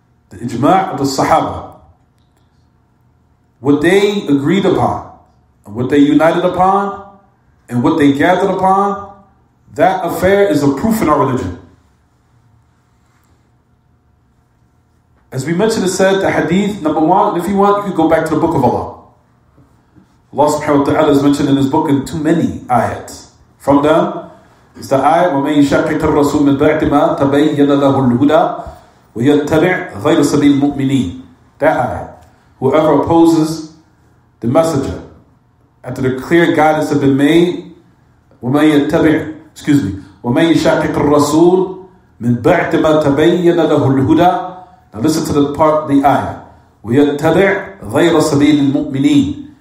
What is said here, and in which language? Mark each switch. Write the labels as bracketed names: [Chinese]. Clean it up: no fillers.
[English] The ijma' of the Sahaba. What they agreed upon, and what they united upon, and what they gathered upon, that affair is a proof in our religion. As we mentioned, it said the hadith, number one, and if you want, you can go back to the book of Allah. Allah subhanahu wa ta'ala is mentioned in his book in too many ayats. From them is the ayat, [Arabic] وَمَنْ يَشَقِقَ الرَّسُولُ مِنْ بَعْدِ مَا تَبَيَّنَ لَهُ الْهُدَى وَيَتَّبِعْ غَيْرَ سَبِيلِ الْمُؤْمِنِينَ. [English] That ayat. Whoever opposes the messenger after the clear guidance has been made, [Arabic] وَمَنْ يَتَّبِعْ, [English] excuse me, [Arabic] وَمَنْ يَشَقِقَ الرَّسُولُ مِنْ بَعْدِ مَا تَبَيَّنَ لَهُ الْهُدَى. [English] Now listen to the part, the ayah. [Arabic] وَيَتَّبِعْ غَيْرَ سَبِيلِ الْمُؤْمِنِينَ.